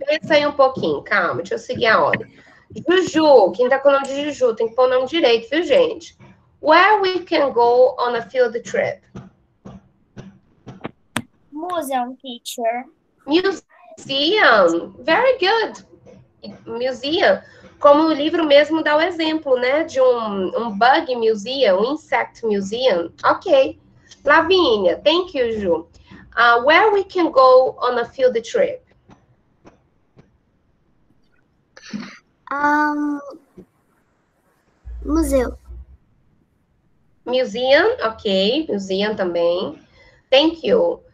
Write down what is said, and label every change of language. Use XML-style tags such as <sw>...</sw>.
<pt>Pensa aí um pouquinho, calma, deixa eu seguir a ordem. Juju, quem tá com o nome de Juju, tem que pôr o nome direito, viu, gente?</pt> <en>Where we can go on a field trip? Museum, teacher. Museum, very good.</en> <pt>Museum, como o livro mesmo dá o exemplo, né, de um</pt> <en>bug museum,</en> <pt>um</pt> <en>insect museum. Ok. Lavínia, thank you, Juju. Where we can go on a field trip?</en> <pt>Museu.</pt> <en>Museum, ok. Museum também. Thank you.</en>